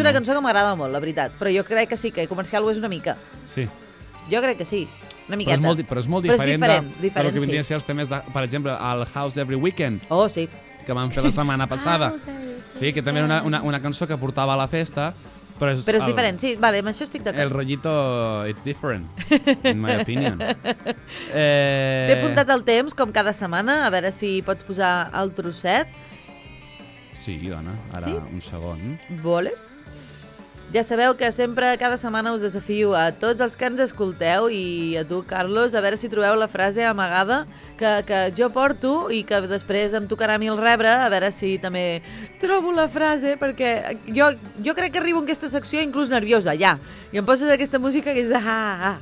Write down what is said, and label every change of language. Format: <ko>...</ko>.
<ca>És una cançó que m'agrada molt, la veritat. Però jo crec que sí, que comercial ho és una mica. Sí. Jo crec que sí, una miqueta. Però és molt diferent, diferent del que vindria a ser els temes, de, per exemple, al House Every Weekend. Oh, sí. Que vam fer la setmana passada. Sí, que també era una cançó que portava a la festa. Però és diferent, sí. Vale, amb això estic d'acord.</ca> <en>El rollito, it's different, in my opinion.</en> <ca>T'he apuntat el temps, com cada setmana, a veure si pots posar el trosset. Sí, dona, ara sí? Un segon. Vole. Ja sabeu que sempre, cada setmana, us desafio a tots els que ens escolteu i a tu, Carlos, a veure si trobeu la frase amagada que jo porto i que després em tocarà a mi el rebre, a veure si també trobo la frase, perquè jo crec que arribo en aquesta secció inclús nerviosa, ja, i em poses aquesta música que és de ha, ha, ha.</ca>